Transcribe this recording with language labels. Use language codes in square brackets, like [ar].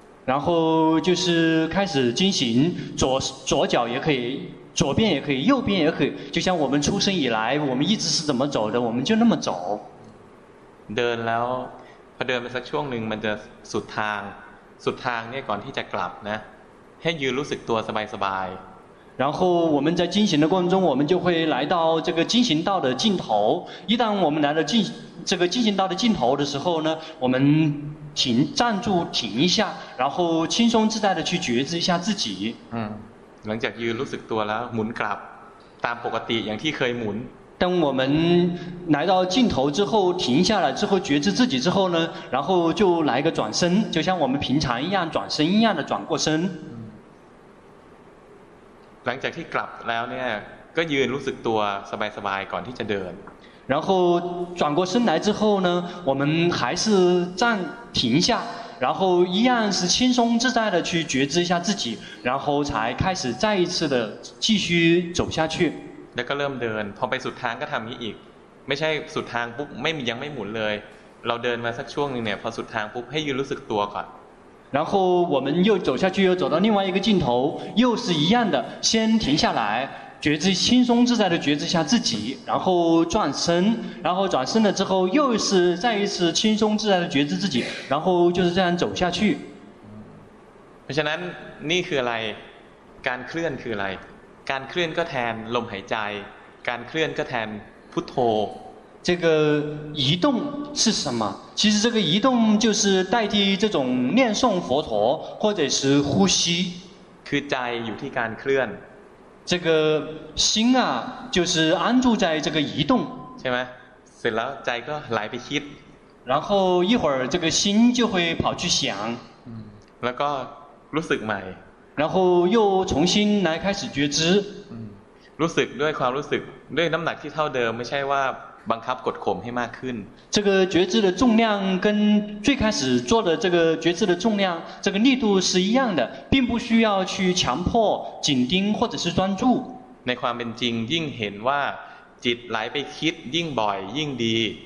[zh] 然后就是开始进行左脚也可以左边也可以右边也可以就像我们出生以来我们一直是怎么走的我们就那么走 [th] เดินแล้วพอเดินไปสักช่วงหนึ่งมันจะสุดทางเนี่ยก่อนที่จะกลับนะให้ยืนรู้สึกตัวสบายสบาย [zh] 然后我们在进行的过程中我们就会来到这个进行道的尽头一旦我们来到进行道的尽头的时候呢我们站住停一下然后轻松自在的去觉知一下自己 [th] หลังจากยืนรู้สึกตัวแล้วหมุนกลับตามปกติอย่างที่เคยหมุน [zh] 当我们来到尽头之后停下来之后觉知自己之后呢然后就来个转身就像我们平常一样转身一样的转过身 [th] หลังจากที่กลับแล้วเนี่ยก็ยืนรู้สึกตัวสบายๆก่อนที่จะเดิน [zh] 然后转过身来之后呢我们还是站停下然后一样是轻松自在的去觉知一下自己然后才开始再一次的继续走下去 [th] แล้วก็เริ่มเดินพอไปสุดทางก็ทำนี้อีกไม่ใช่สุดทางปุ๊บไม่ยังไม่หมุนเลยเราเดินมาสักช่วงนึงเนี่ยพอสุดทางปุ๊บให้ยืนรู้สึกตัวก่อน [zh] 然后我们又走下去，又走到另外一个尽头，又是一样的，先停下来，觉知轻松自在的觉知下自己，然后转身，然后转身了之后又是再一次轻松自在的觉知自己，然后就是这样走下去。 [th] เพราะฉะนั้นนี่คืออะไรการเคลื่อนคืออะไรการเคลื่อนก็แทนลมหายใจการเคลื่อนก็แทนพุทโธ [zh] 这个移动是什么其实这个移动就是代替这种念诵佛陀或者是呼吸 [th] คือใจอยู่ที่การเคลื่อน [zh] 这个心啊就是安住在这个移动 [th] ใช่ไหมเสร็จแล้วใจก็ไหลไปคิด [zh] 然后一会儿这个心就会跑去想 [th] แล้วก็รู้สึกใหม่ [zh] 然后又重新来开始觉知 [th] รู้สึกด้วยความรู้สึกด้วยน้ำหนักที่เท่าเดิมไม่ใช่ว่าบังคับกดข่มให้มากขึ้น [zh] 这个觉知的重量跟最开始做的这个觉知的重量这个力度是一样的并不需要去强迫紧盯或者是专注 [th] ในความเป็นจริงยิ่งเห็นว่าจิตไหลไปคิดยิ่งบ่อยยิ่งดี